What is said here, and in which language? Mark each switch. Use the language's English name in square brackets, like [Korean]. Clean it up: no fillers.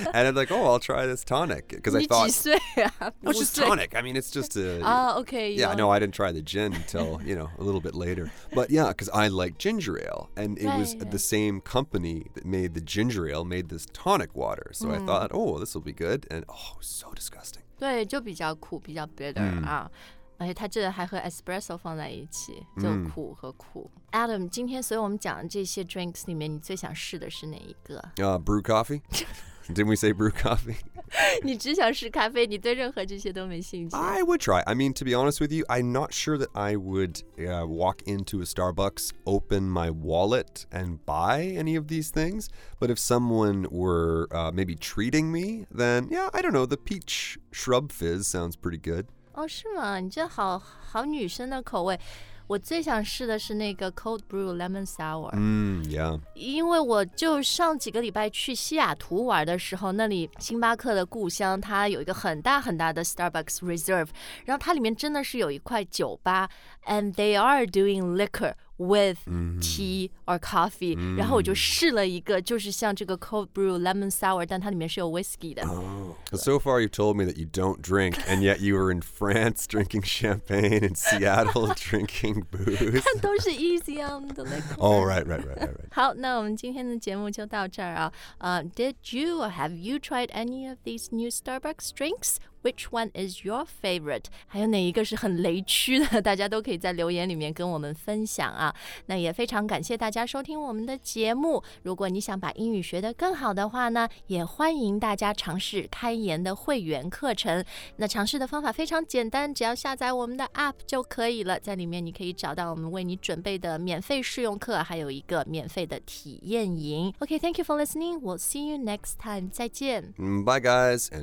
[English] And I'm like, oh, I'll try this tonic. Because I thought, it's just tonic. I mean, it's just a... okay. Yeah, no, I didn't try the gin until, you know, a little bit later. But yeah, because I like ginger ale. And it was the same company that made the ginger ale made this tonic water. So、mm. I thought, oh, this will be good. And oh, so disgusting. [Chinese] 对就比较苦比较 bitter、mm. 啊而且它这还和 espresso 放在一起就苦和苦、mm. Adam 今天所有我们讲的这些 drinks 里面你最想试的是哪一个、 [English] brew coffee didn't we say brew coffee [Chinese] 你只想试咖啡你对任何这些都没兴趣 [English] I would try I mean to be honest with you I'm not sure that I would、walk into a Starbucks open my wallet and buy any of these things but if someone were、maybe treating me then yeah I don't know the peachShrub fizz sounds pretty good. [Chinese] 哦，是吗？你这好好女生的口味。我最想试的是那个 cold brew lemon sour. [English] 嗯 ，Yeah. [Chinese] 因为我就上几个礼拜去西雅图玩的时候，那里星巴克的故乡，它有一个很大很大的 Starbucks Reserve， 然后它里面真的是有一块酒吧 ， [English] and they are doing liquor. With tea or coffee,、 [Chinese] mm-hmm. 然后我就试了一个，就是像这个 cold brew lemon sour， 但它里面是有 whiskey 的。 [English] Oh, so far you told me that you don't drink, and yet you were in France drinking champagne and Seattle drinking booze. [Chinese] 它都是 [English] easy on the liquor. Oh, right. [Chinese] 好，那我们今天的节目就到这儿啊。 [English] Did you or have you tried any of these new Starbucks drinks? Which one is your favorite? [Chinese] 还有哪一个是很雷区的？大家都可以在留言里面跟我们分享啊。那也非常感谢大家收听我们的节目。如果你想把英语学得更好的话呢，也欢迎大家尝试开言的会员课程。那尝试的方法非常简单，只要下载我们的 app 就可以了。在里面你可以找到我们为你准备的免费试用课，还有一个免费的体验营。 [English] Okay, thank you for listening. We'll see you next time. [Chinese] 再见。 [English] Bye guys, and don't forget...Mojito, mojito, mojito.